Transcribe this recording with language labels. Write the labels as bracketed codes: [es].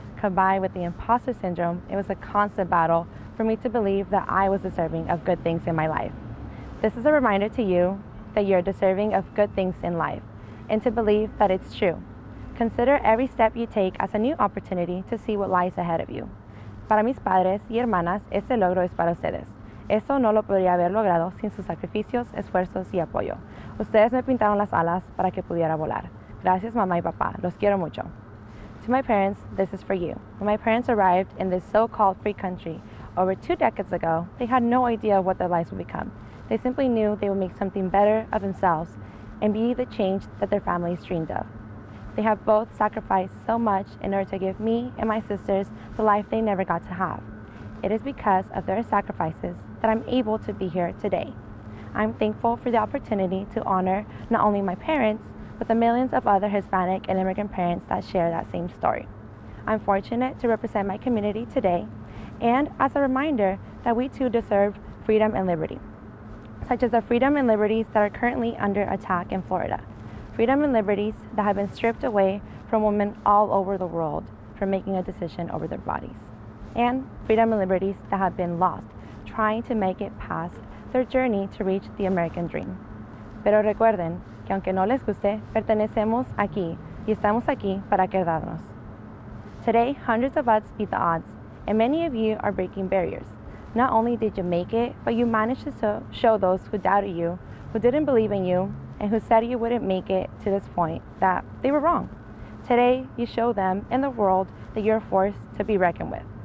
[en] Combined with the imposter syndrome, it was a constant battle for me to believe that I was deserving of good things in my life. This is a reminder to you that you're deserving of good things in life and to believe that it's true. Consider every step you take as a new opportunity to see what lies ahead of you. [es] Para mis padres y hermanas, ese logro es para ustedes. Eso no lo podría haber logrado sin sus sacrificios, esfuerzos y apoyo. Ustedes me pintaron las alas para que pudiera volar. Gracias, mamá y papá. Los quiero mucho. [en] To my parents, this is for you. When my parents arrived in this so-called free country over 2 decades ago, they had no idea what their lives would become. They simply knew they would make something better of themselves and be the change that their families dreamed of. They have both sacrificed so much in order to give me and my sisters the life they never got to have. It is because of their sacrifices that I'm able to be here today. I'm thankful for the opportunity to honor not only my parents, but the millions of other Hispanic and immigrant parents that share that same story. I'm fortunate to represent my community today and as a reminder that we too deserve freedom and liberty, such as the freedom and liberties that are currently under attack in Florida. Freedom and liberties that have been stripped away from women all over the world for making a decision over their bodies. And freedom and liberties that have been lost trying to make it past their journey to reach the American dream. [es] Pero recuerden que aunque no les guste, pertenecemos aquí y estamos aquí para quedarnos. [en] Today, hundreds of us beat the odds, and many of you are breaking barriers. Not only did you make it, but you managed to show those who doubted you, who didn't believe in you, and who said you wouldn't make it to this point that they were wrong. Today, you show them and the world that you're forced to be reckoned with.